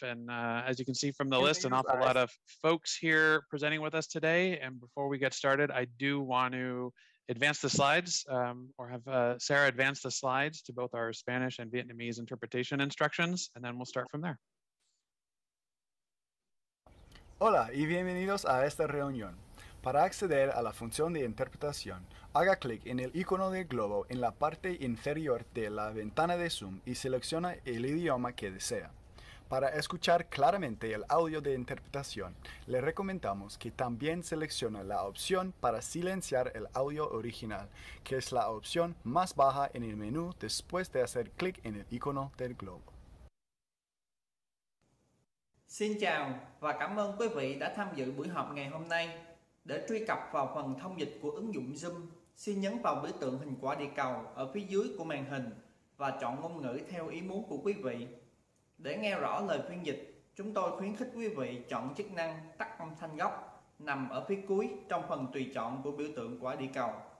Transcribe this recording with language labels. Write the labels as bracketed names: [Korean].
[English] And as you can see from the list, an awful lot of folks here presenting with us today. And before we get started, I do want to advance the slides or have Sarah advance the slides to both our Spanish and Vietnamese interpretation instructions, and then we'll start from there. [Spanish] Hola y bienvenidos a esta reunión. Para acceder a la función de interpretación, haga clic en el icono del globo en la parte inferior de la ventana de Zoom y selecciona el idioma que desea. Para escuchar claramente el audio de interpretación, le recomendamos que también seleccione la opción para silenciar el audio original, que es la opción más baja en el menú después de hacer clic en el icono del globo. [Vietnamese] Xin chào và cảm ơn quý vị đã tham dự buổi họp ngày hôm nay. Để truy cập vào phần thông dịch của ứng dụng Zoom, xin nhấn vào biểu tượng hình quả địa cầu ở phía dưới của màn hình và chọn ngôn ngữ theo ý muốn của quý vị. Để nghe rõ lời phiên dịch, chúng tôi khuyến khích quý vị chọn chức năng tắt âm thanh gốc nằm ở phía cuối trong phần tùy chọn của biểu tượng quả địa cầu.